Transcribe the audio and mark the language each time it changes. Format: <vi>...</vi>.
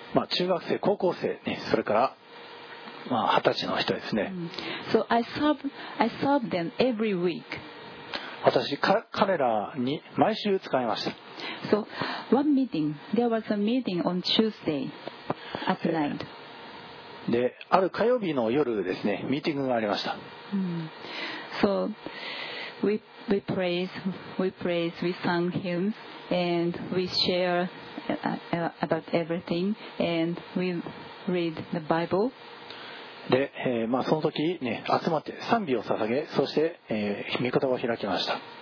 <ja>中学生、高校生、ね、それから、二十歳の人ですね。</ja> <en>So I serve them every week.</en> <ja>私彼らに毎週使いました。</ja> <en>So one meeting, there was a meeting on Tuesday at night.</en> <ja>で、ある火曜日の夜ですね、ミーティングがありました。</ja> <en>So we praise, we sang hymns, and we share about everything, and we read the Bible.</en> <ja>で、その時、ね、集まって賛美を捧げ、そして、御言葉を開きました。</ja>